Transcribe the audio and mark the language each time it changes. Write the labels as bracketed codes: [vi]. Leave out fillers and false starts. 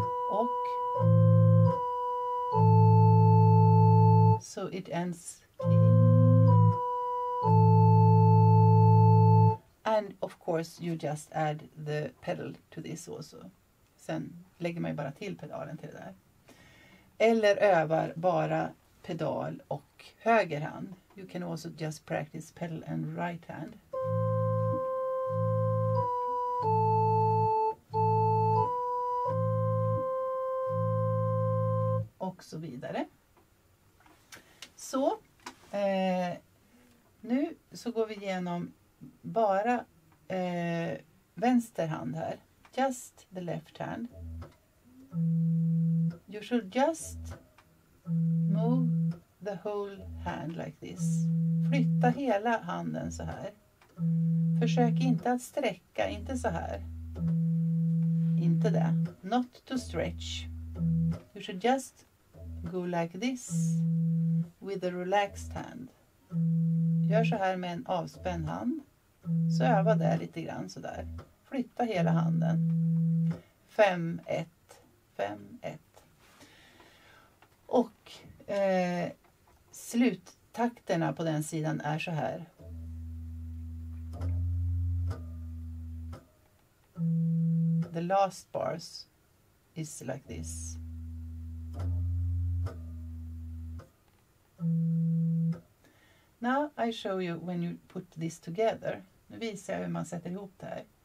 [sv] Och. [en] So it ends clean. And of course you just add the pedal to this also. [sv] Sen lägger man ju bara till pedalen till det där. Eller övar bara pedal och höger hand. [en] You can also just practice pedal and right hand. [sv] Och så vidare. Så. Nu så går vi igenom bara vänster hand här. [en] Just the left hand. You should just move the whole hand like this. [sv] Flytta hela handen så här. Försök inte att sträcka, inte så här. Inte det. [en] Not to stretch. You should just go like this with a relaxed hand. [sv] Gör så här med en avspänd hand. Så öva där lite grann så där. Flytta hela handen. 5-1. 5-1. Och sluttakterna på den sidan är så här. [en] The last bars is like this. Now I show you when you put this together. [sv] Nu visar jag hur man sätter ihop det här.